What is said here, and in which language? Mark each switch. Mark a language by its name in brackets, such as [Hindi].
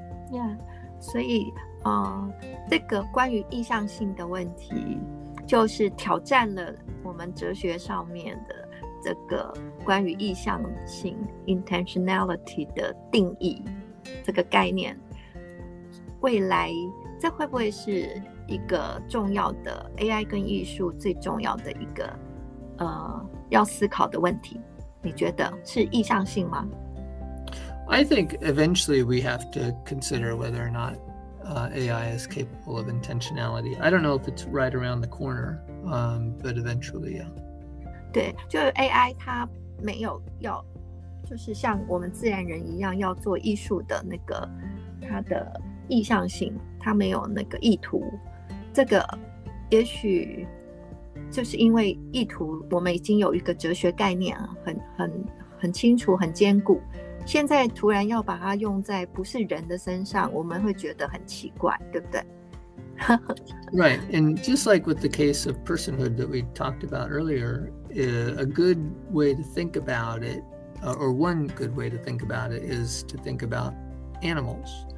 [Chinese] Yeah, 所以这个关于意向性的问题就是挑战了我们哲学上面的这个关于意向性 intentionality 的定义这个概念，未来这会不会是一个重要的 AI 跟艺术最重要的一个要思考的问题？你觉得是意向性吗？ [English] I think eventually we have to consider whether or not AI is capable of intentionality. I don't know if it's right around the corner, but eventually, yeah. [Chinese] 对，就是 AI 它没有要，就是像我们自然人一样要做艺术的那个它的意向性，它没有那个意图。这个也许就是因为意图，我们已经有一个哲学概念，很清楚、很坚固。现在突然要把它用在不是人的身上，我们会觉得很奇怪，对不对？ [English] Right, and just like with the case of personhood that we talked about earlier, a good way to think about it, or one good way to think about it, is to think about animals.